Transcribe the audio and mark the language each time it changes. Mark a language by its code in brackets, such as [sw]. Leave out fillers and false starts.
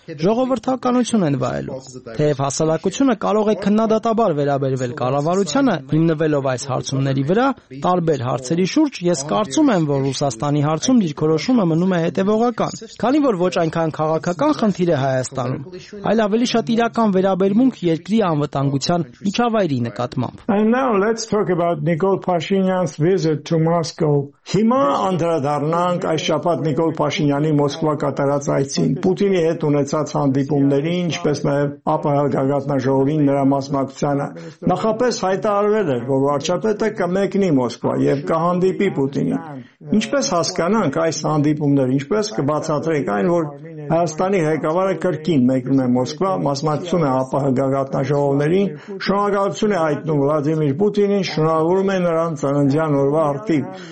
[hy] ժողովրդականություն են վայելու։ Թեև հասարակությունը կարող է քննադատաբար վերաբերվել կառավարությանը, հիմնվելով այս հարցումների վրա, տարբեր հարցերի շուրջ, ես կարծում եմ, որ Ռուսաստանի հարցում դիրքորոշումը մնում է հետևողական, քանի որ ոչ այնքան քաղաքական խնդիր է Հայաստանում, այլ ավելի շատ իրական վերաբերմունք երկրի անվտանգության միջավայրի նկատմամբ։ [en] And now let's talk about Nikol Pashinyan's visit to Moscow. [hy] Հիմա անդրադառնանք այս շաբաթ Նիկոլ Փաշինյանի Մոսկվա կատարած այցին, Պուտինի հետ ունեցած հանդիպումներին, ինչպես նաև ԱՊՀ գագաթնաժողովին նրա մասնակցությանը։ Նախապես հայտարարվել էր, որ վարչապետը կմեկնի Մոսկվա և կհանդիպի Պուտինին։ Ինչպես հասկանանք այս հանդիպումները, ինչպես կբացատրենք այն, որ Հայաստանի ղեկավարը կրկին մեկնում է Մոսկվա, մասնակցում է ԱՊՀ գագաթնաժողովներին, շնորհակալություն է հայտնում Վլադիմիր Պուտինին, շնորհավորում է նրան ծննդյան օրվա արդիվ։